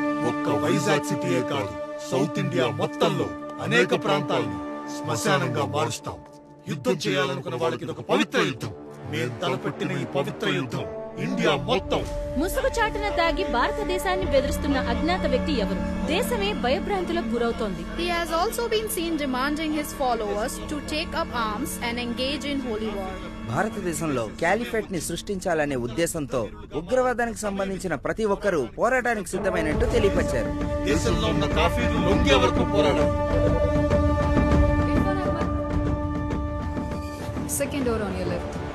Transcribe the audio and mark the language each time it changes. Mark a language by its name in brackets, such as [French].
[Telugu] ఒక్క వైజాగ్ సిటీయే కాదు, south India మొత్తంలో అనేక ప్రాంతాలను శ్మశానంగా మారుస్తాం. యుద్ధం చేయాలనుకున్న వాళ్ళకి ఒక పవిత్ర యుద్ధం. మేము తలపెట్టిన ఈ పవిత్ర యుద్ధం ఇండియా మొత్తం. ముసుగు చాటున తాగి భారతదేశాన్ని బెదిరిస్తున్న అజ్ఞాత వ్యక్తి ఎవరు? దేశమే భయభ్రాంతులకు గురవుతోంది. [English] He has also been seen demanding his followers to take up arms and engage in holy war. [Telugu] భారతదేశంలో క్యాలిఫేట్ ని సృష్టించాలనే ఉద్దేశంతో ఉగ్రవాదానికి సంబంధించిన ప్రతి ఒక్కరూ పోరాటానికి సిద్ధమైనట్టు తెలియపరిచారు. దేశంలో ఉన్న కాఫీలు లొంగే వరకు పోరాడారు. [English] Second door on your left.